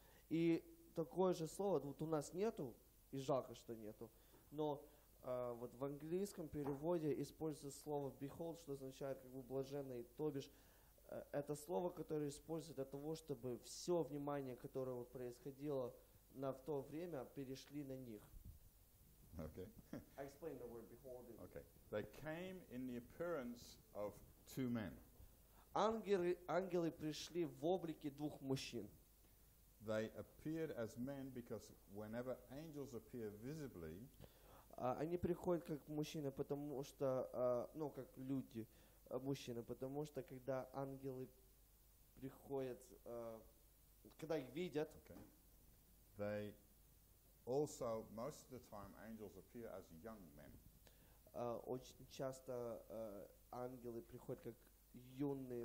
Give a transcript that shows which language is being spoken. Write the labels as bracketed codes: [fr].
[ru] И такое же слово вот у нас нету, и жалко, что нету, но вот в английском переводе используется слово behold, что означает как бы блаженный, то бишь это слово, которое используется для того, чтобы все внимание, которое вот происходило на в то время, перешли на них. [en] Okay. I explained the word behold. Okay. They came in the appearance of two men. [ru] Ангелы пришли в облике двух мужчин. [en] They appeared as men because whenever angels appear visibly, [ru] они приходят как мужчины, потому что, ну, как люди, мужчины, потому что когда ангелы приходят, когда их видят, [en] okay. They also, most of the time, angels appear as young men. [ru] Очень часто ангелы приходят как юные